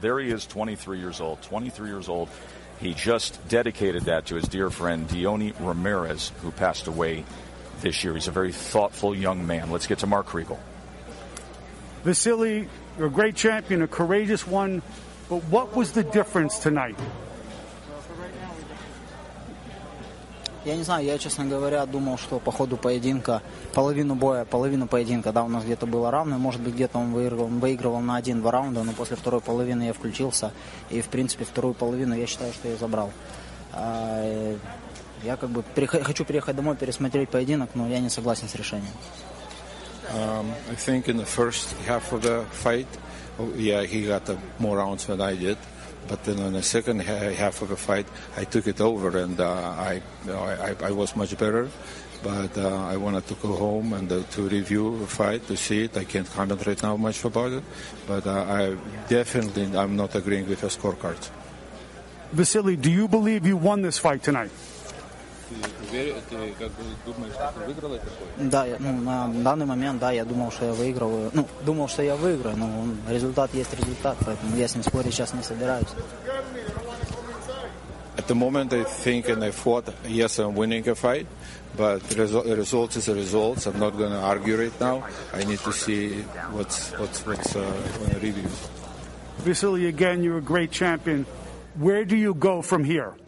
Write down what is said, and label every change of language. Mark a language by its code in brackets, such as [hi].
[en] There he is, 23 years old. 23 years old. He just dedicated that to his dear friend, Deone Ramirez, who passed away this year. He's a very thoughtful young man. Let's get to Mark Kriegel. Vasily, you're a great champion, a courageous one, but what was the difference tonight? [ru] Я не знаю, я, честно говоря, думал, что по ходу поединка, половину боя, половину поединка, да, у нас где-то было равное, может быть, где-то он выигрывал на 1-2 раунда, но после второй половины я включился, и, в принципе, вторую половину я считаю, что я забрал. Я как бы хочу приехать домой, пересмотреть поединок, но я не согласен с решением. [en] I think in the first half of the fight, yeah, he got more rounds than I did. But then in the second half of the fight, I took it over and I was much better. But I wanted to go home and to review the fight, to see it. I can't comment right now much about it. But I'm not agreeing with your scorecards. Vasily, do you believe you won this fight tonight? [ru] Да, ну, на данный момент, да, я думал, что я выигрываю. Ну, думал, что я выиграю, но результат есть результат, поэтому я с ним спорить сейчас не собираюсь. [en] At the moment I think and I thought, yes, I'm winning a fight, but the result is the results. I'm not going to argue right now. I need to see what's on the review. Vasily, again, you're a great champion. Where do you go from here?